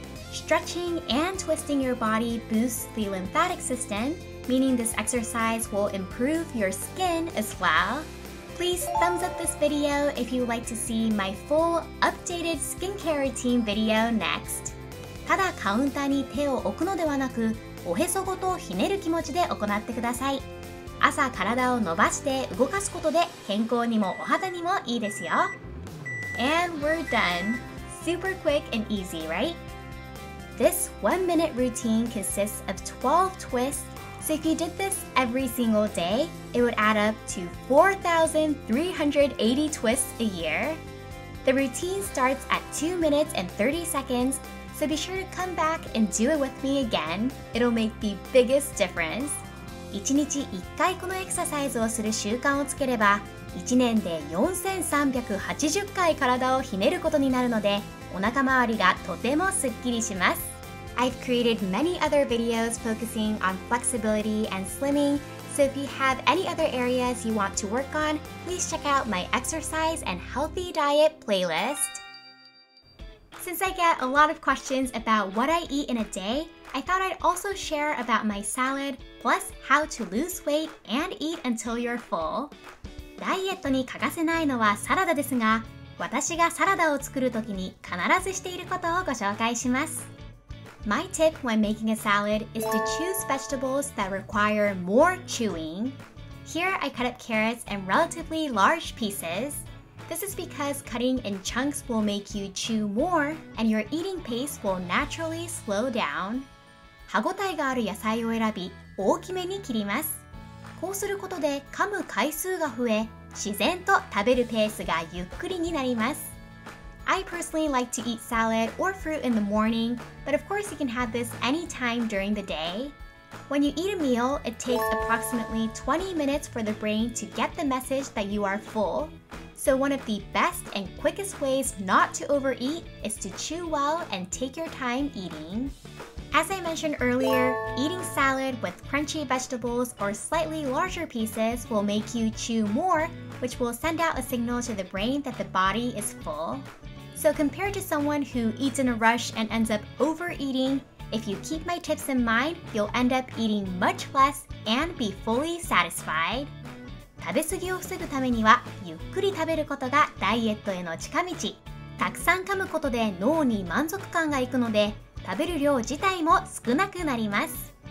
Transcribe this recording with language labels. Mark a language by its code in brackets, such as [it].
[en] Stretching and twisting your body boosts the lymphatic system, meaning this exercise will improve your skin as well. Please thumbs up this video if you would like to see my full updated skincare routine video next. [ja] ただカウンターに手を置くのではなく、おへそごとひねる気持ちで行ってください。朝体を伸ばして動かすことで健康にもお肌にもいいですよ。 [en] And we're done. Super quick and easy, right? This 1 minute routine consists of 12 twists, so if you did this every single day, it would add up to 4,380 twists a year. The routine starts at 2 minutes and 30 seconds, so be sure to come back and do it with me again. It'll make the biggest difference. [ja] 1日1回このエクササイズをする習慣をつければ1年で4380回体をひねることになるので、お腹周りがとてもすっきりします。 [en] I've created many other videos focusing on flexibility and slimming, so if you have any other areas you want to work on, please check out my exercise and healthy diet playlist. Since I get a lot of questions about what I eat in a day, I thought I'd also share about my salad, plus how to lose weight and eat until you're full. [ja] ダイエットに欠かせないのはサラダですが、私がサラダを作るときに必ずしていることをご紹介します。 [en] My tip when making a salad is to choose vegetables that require more chewing. Here, I cut up carrots in relatively large pieces. This is because cutting in chunks will make you chew more, and your eating pace will naturally slow down. [ja] 歯ごたえがある野菜を選び、大きめに切ります。こうすることで噛む回数が増え、自然と食べるペースがゆっくりになります。 [en] I personally like to eat salad or fruit in the morning, but of course you can have this anytime during the day. When you eat a meal, it takes approximately 20 minutes for the brain to get the message that you are full. So one of the best and quickest ways not to overeat is to chew well and take your time eating. As I mentioned earlier, eating salad with crunchy vegetables or slightly larger pieces will make you chew more, which will send out a signal to the brain that the body is full. So compared to someone who eats in a rush and ends up overeating, if you keep my tips in mind, you'll end up eating much less and be fully satisfied. [ja] 食べ過ぎを防ぐためには、ゆっくり食べることがダイエットへの近道。たくさん噛むことで脳に満足感がいくので、食べる量自体も少なくなります。